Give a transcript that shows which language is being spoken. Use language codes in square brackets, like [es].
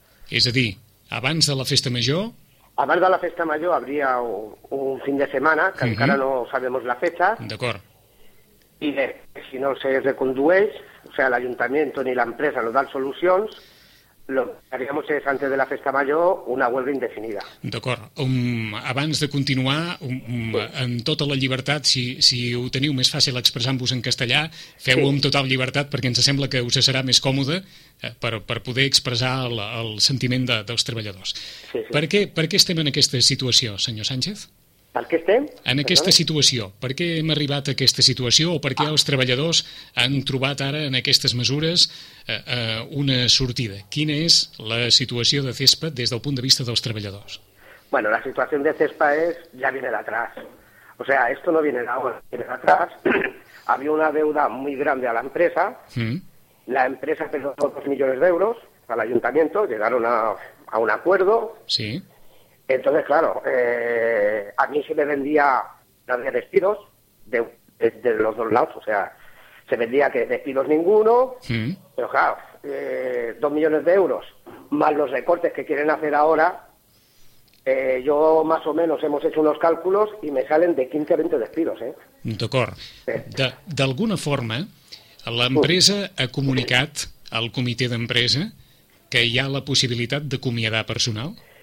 [ca] És a dir, abans de la festa major... Abans de la festa major [es] habría un fin de semana, que [ca] encara [es] no sabemos la fecha. [ca] D'acord. I si no se recondueix, [es] o sea, [ca] l'Ajuntament ni l'empresa [es] no dan [ca] solucions, [es] lo que [ca] haríem és, [es] antes [ca] de la festa major, [es] una huelga indefinida. [ca] D'acord. Abans de continuar, en tota la llibertat, si ho teniu més fàcil expressant-vos en castellà, feu-ho amb total llibertat, perquè ens sembla que us serà més còmode per poder expressar el sentiment dels treballadors. Sí, sí. Per què estem en aquesta situació, senyor Sánchez? Per què estem? En aquesta situació. Per què hem arribat a aquesta situació? O per què els treballadors han trobat ara en aquestes mesures una sortida? Quina és la situació de CESPA des del punt de vista dels treballadors? [es] Bueno, [ca] la situació de CESPA és ja [es] viene d'atrás. O sea, esto no viene d'ahora, viene d'atrás. Había una deuda muy grande a la empresa. La empresa perdó 2 millones de euros al ayuntamiento, llegaron a un acuerdo. Sí. Entonces, claro, a mí se me vendía de despidos de los dos lados, o sea, se vendía que despidos ninguno, pero claro, 2 millones de euros más los recortes que quieren hacer ahora, yo más o menos hemos hecho unos cálculos y me salen de 15 a 20 despidos, ¿eh? [ca] D'acord. D'alguna forma, l'empresa ha comunicat al comitè d'empresa que hi ha la possibilitat d'acomiadar personal?